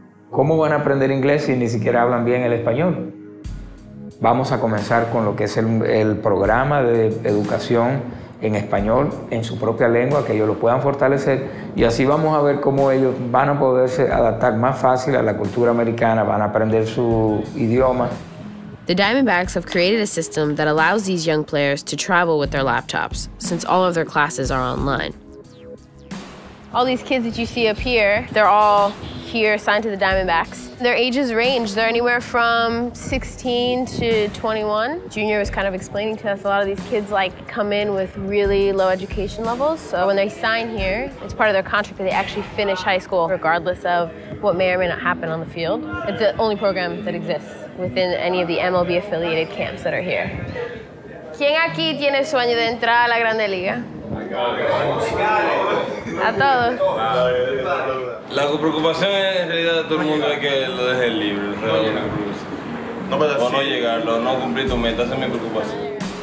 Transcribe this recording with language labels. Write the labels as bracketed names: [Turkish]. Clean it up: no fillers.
[Spanish] ¿Cómo van a aprender inglés si ni siquiera hablan bien el español? Vamos a comenzar con lo que es el programa de educación en español, en su propia lengua, que ellos lo puedan fortalecer. Y así vamos a ver cómo ellos van a poderse adaptar más fácil a la cultura americana, van a aprender su idioma. [English] The Diamondbacks have created a system that allows these young players to travel with their laptops, since all of their classes are online. All these kids that you see up here, they're all here signed to the Diamondbacks. Their ages range. They're anywhere from 16 to 21. Junior was kind of explaining to us a lot of these kids like come in with really low education levels. So when they sign here, it's part of their contract that they actually finish high school regardless of what may or may not happen on the field. It's the only program that exists within any of the MLB affiliated camps that are here. [Spanish] ¿Quién aquí tiene sueño de entrar a la Grande Liga? A todos. La preocupación en realidad de todo el mundo es que lo deje libre. No llegarlo, no cumplir tu meta, esa es mi preocupación.